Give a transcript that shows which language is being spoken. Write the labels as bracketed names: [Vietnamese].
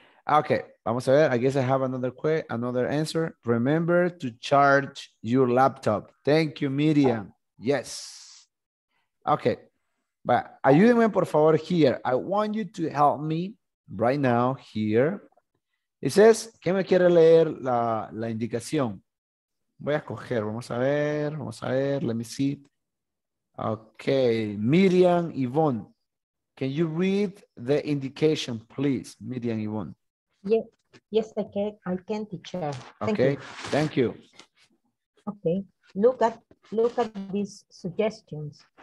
[English] Okay, [Spanish] vamos a ver. [English] I guess I have another answer. Remember to charge your laptop. Thank you, Miriam. Yes. Okay, but [Spanish] ayúdenme por favor [English] here. I want you to help me right now here. It says, [Spanish] ¿qué me quiere leer la indicación? Voy a escoger, vamos a ver, [English] let me see. Okay, Miriam Yvonne, can you read the indication, please, Miriam Yvonne? Yes, I can, teacher. Okay, thank you. Okay, look at these suggestions.